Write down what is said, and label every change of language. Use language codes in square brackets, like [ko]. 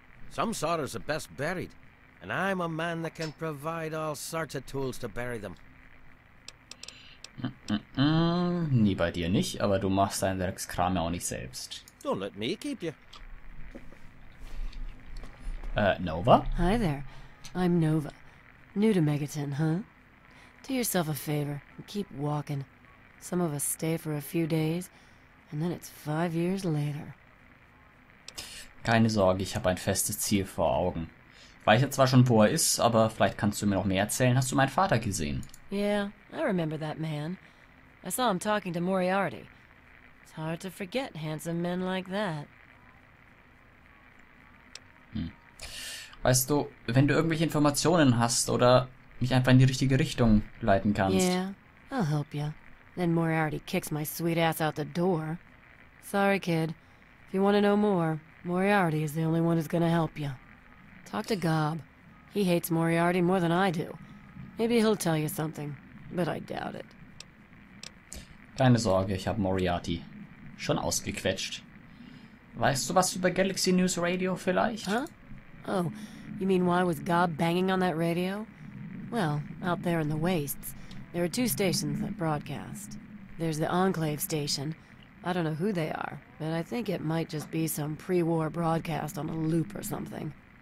[en] Some sorters are best buried, and I'm a man that can provide all sorts of tools to bury them. [de] Nie bei dir nicht, aber du machst deinen Dreckskram ja auch nicht selbst. [en] Don't let me keep you. Nova? Hi there. I'm Nova. New to Megaton, huh? Do yourself a favor and keep walking. Some of us stay for a few days. And then it's 5 years later. [de] Keine Sorge, ich habe ein festes Ziel vor Augen. Weiß ja zwar schon, wo er ist, aber vielleicht kannst du mir noch mehr erzählen. Hast du meinen Vater gesehen? [en] Yeah, I remember that man. I saw him talking to Moriarty. It's hard to forget handsome men like that. [de] Weißt du, wenn du irgendwelche Informationen hast oder mich einfach in die richtige Richtung leiten kannst. [en] Yeah, I'll help you. Then Moriarty kicks my sweet ass out the door. Sorry, kid. If you want to know more, Moriarty is the only one who's gonna help you. Talk to Gob. He hates Moriarty more than I do. Maybe he'll tell you something, but I doubt it. [de] Keine Sorge, ich habe Moriarty schon ausgequetscht. Weißt du was über Galaxy News Radio vielleicht? Huh? [en] Oh, you mean why was Gob banging on that radio? Well, out there in the wastes. There are two stations that broadcast. There's the Enclave station. I don't know who they are, but I think it might just be some pre-war broadcast on a loop or something.